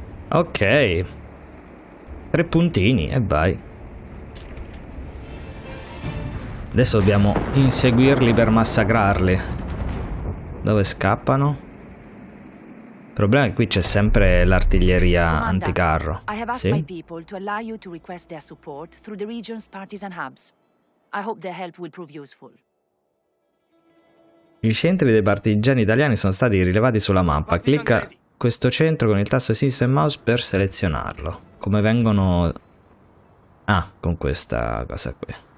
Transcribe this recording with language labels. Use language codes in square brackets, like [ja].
[it] Ok, tre puntini e vai. Adesso dobbiamo inseguirli per massacrarli. Dove scappano? Il problema è che qui c'è sempre l'artiglieria anticarro. [en] I have asked my people to allow you to request their support through the region's partisan hubs. I hope their help will prove useful. [it] I centri dei partigiani italiani sono stati rilevati sulla mappa. Clicca questo centro con il tasto sinistro e mouse per selezionarlo. Come vengono. Ah, con questa cosa qui.